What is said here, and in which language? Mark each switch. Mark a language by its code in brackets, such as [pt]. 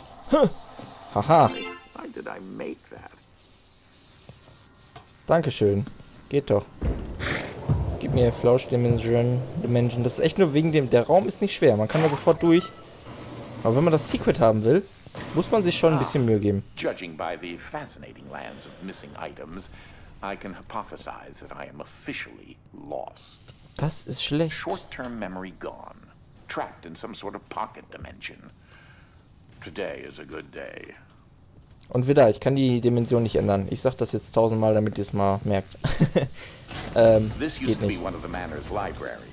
[en] Haha. Why did I make that? [de] Dankeschön. Geht doch. Gib mir Flausch Dimension. Das ist echt nur wegen dem. Der Raum ist nicht schwer. Man kann da sofort durch. Aber wenn man das Secret haben will, muss man sich schon ein bisschen Mühe geben. [en] Judging by the fascinating lands of missing items, I can hypothesize that I am officially lost. [de] Das ist schlecht. [en] Short-term memory gone. Trapped in some sort of pocket dimension. Today is a good day. [de] Und wieder, ich kann die Dimension nicht ändern. Ich sag das jetzt tausendmal, damit ihr es mal merkt. [en] this used to be one of the manor's libraries.